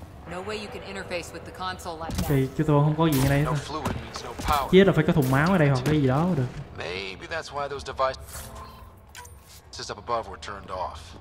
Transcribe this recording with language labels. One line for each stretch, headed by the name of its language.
English: No way you can interface with the console like that.
Vietnamese: Okay, chứ tôi không có gì ở đây. Chết là phải có thùng máu ở đây hoặc cái gì đó được.
English: Maybe that's why those devices up above were turned off.